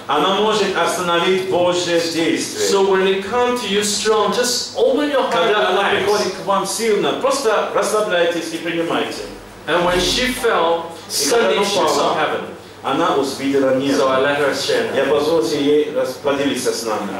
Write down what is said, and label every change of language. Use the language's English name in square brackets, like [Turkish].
[Russian] Она может остановить Божье действие. [English] So when it comes to you strong, just open your heart. [Russian] Когда она приходит к вам сильно, просто расслабляйтесь и принимайте. [English] And when she fell, suddenly she saw heaven. [Russian] Она увидела небо. [English] So I let her share. [Russian] Я позвольте ей поделиться с нами.